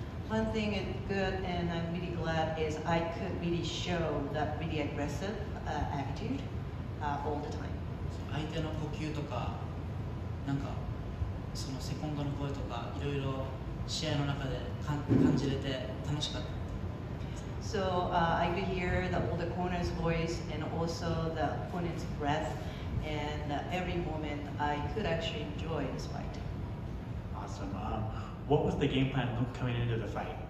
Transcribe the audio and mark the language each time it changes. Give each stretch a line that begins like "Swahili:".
English: One thing is good and I'm really glad is I could really show that really aggressive attitude all the time.
Japanese: 相手の呼吸とか、なんかそのセコンドの声とか、いろいろ試合の中で感じれて楽しかった。
English: So I could hear the older corner's voice and also the opponent's breath, and every moment I could actually enjoy this fight. Awesome. What was the game plan coming into the fight?